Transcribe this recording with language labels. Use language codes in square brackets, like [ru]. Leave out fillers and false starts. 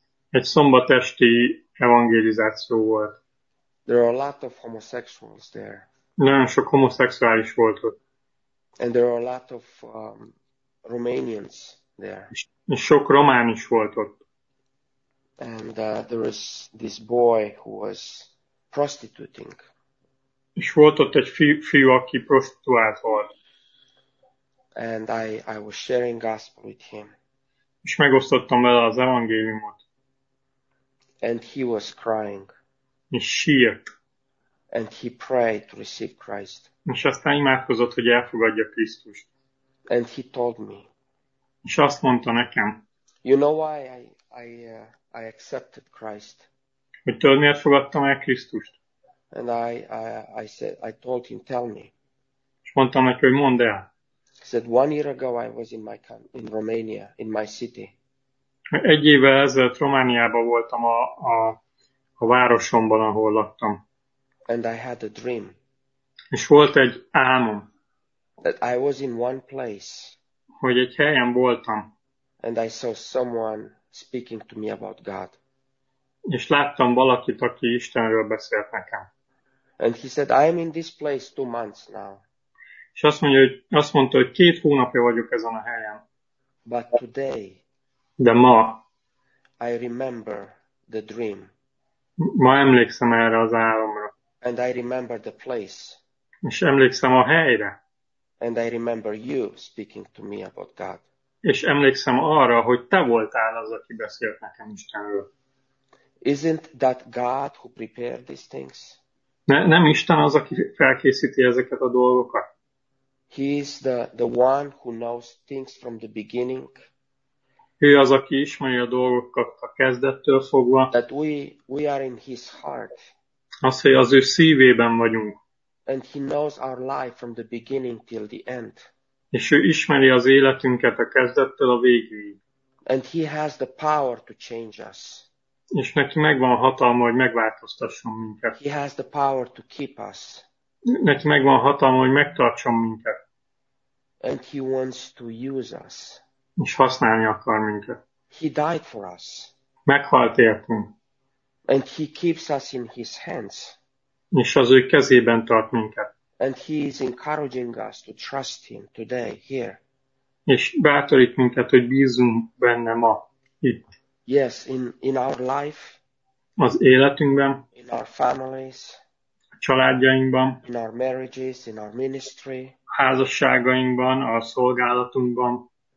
[hu] Egy szombatesti evangelizáció volt. [en] There are a lot of homosexuals there. [hu] Nagyon sok homoszexuális volt ott. [en] And there are a lot of Romanians there. [hu] És sok román is volt ott. [en] And there was this boy who was prostituting. [hu] És volt ott egy fiú, aki prostituált volt. [en] And I was sharing gospel with him. [hu] És megosztottam vele az evangéliumot. [en] And he was crying. [hu] És sírt. [en] And he prayed to receive Christ. [hu] És aztán imádkozott, hogy elfogadja Krisztust. [en] And he told me. [hu] És azt mondta nekem. [en] You know why I accepted Christ. [hu] Hogy tudod, miért fogadtam el Krisztust? [en] And I said, I told him, tell me. [hu] És mondtam neki, hogy mondd el. [en] He said, 1 year ago I was in Romania, in my city. [hu] Egy évvel ezelőtt Romániában voltam a városomban, ahol laktam. [en] And I had a dream. [hu] És volt egy álmom. [en] That I was in one place. [hu] Hogy egy helyen voltam. [en] And I saw someone speaking to me about God. [hu] És láttam valakit, aki Istenről beszélt nekem. [en] And he said, I am in this place 2 months now. [hu] És azt mondta, hogy 2 hónapja vagyok ezen a helyen. [en] But today, [hu] de ma, [en] I remember the dream. [hu] Ma emlékszem erre az álomra. [en] And I remember the place. [hu] És emlékszem a helyre. [en] And I remember you speaking to me about God. [hu] És emlékszem arra, hogy te voltál az, aki beszélt nekem Istenről. [en] Isn't that God who prepared these things? [hu] Nem Isten az, aki felkészíti ezeket a dolgokat. [en] He is the one who knows things from the beginning. [hu] Ő az, aki ismeri a dolgokat a kezdettől fogva. [en] That we are in his heart. [hu] Az, hogy az ő szívében vagyunk. [en] And he knows our life from the beginning till the end. [hu] És ő ismeri az életünket a kezdettől a végig. [en] And he has the power to change us. [hu] És neki megvan a hatalma, hogy megváltoztasson minket. [en] He has the power to keep us. [hu] Neki megvan a hatalma, hogy megtartson minket. [en] And he wants to use us. [hu] És használni akar minket. [en] He died for us. [hu] Meghalt értünk. [en] And he keeps us in his hands. [hu] És az ő kezében tart minket. [en] And he is encouraging us to trust him today, here. [hu] És bátorít minket, hogy bízunk benne ma, itt. [en] Yes, in our life. [hu] Az életünkben. [en] In our families. [hu] A családjainkban. [en] In our marriages, in our ministry. [hu] A házasságainkban, a szolgálatunkban.